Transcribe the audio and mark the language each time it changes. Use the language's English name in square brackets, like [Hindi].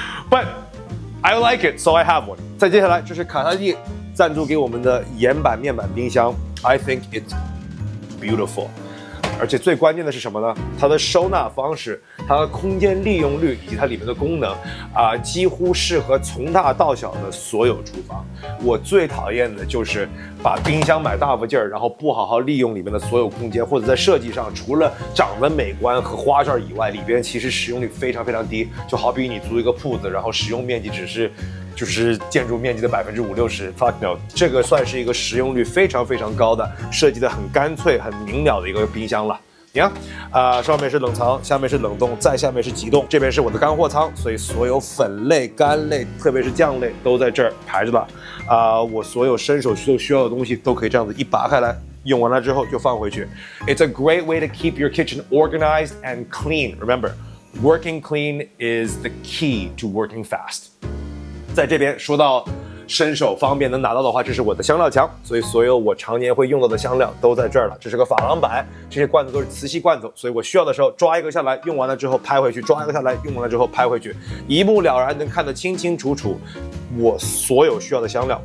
[English] But I like it, so I have one. [Chinese] 再接下来，这是卡萨帝赞助给我们的岩板面板冰箱。 [English] I think it's beautiful. [Chinese] 而且最关键的是什么呢？它的收纳方式、它的空间利用率以及它里面的功能，几乎适合从大到小的所有厨房。我最讨厌的就是把冰箱买大发劲儿，然后不好好利用里面的所有空间，或者在设计上除了长得美观和花哨以外，里边其实使用率非常非常低。就好比你租一个铺子，然后使用面积只是就是建筑面积的50%-60%。 [English] Fuck no, [Chinese] 这个算是一个使用率非常非常高的、设计的很干脆很明了的一个冰箱了。你看，上面是冷藏，下面是冷冻，再下面是急冻，这边是我的干货仓，所以所有粉类、干类，特别是酱类都在这儿排着了。我所有伸手需要的东西都可以这样子一拔开来，用完了之后就放回去。 [English] It's a great way to keep your kitchen organized and clean. Remember, working clean is the key to working fast. [Chinese] 在这边说到伸手方便能拿到的话，这是我的香料墙，所以所有我常年会用到的香料都在这儿了。这是个珐琅板，这些罐子都是磁吸罐子，所以我需要的时候抓一个下来，用完了之后拍回去，抓一个下来，用完了之后拍回去，一目了然，能看得清清楚楚我所有需要的香料。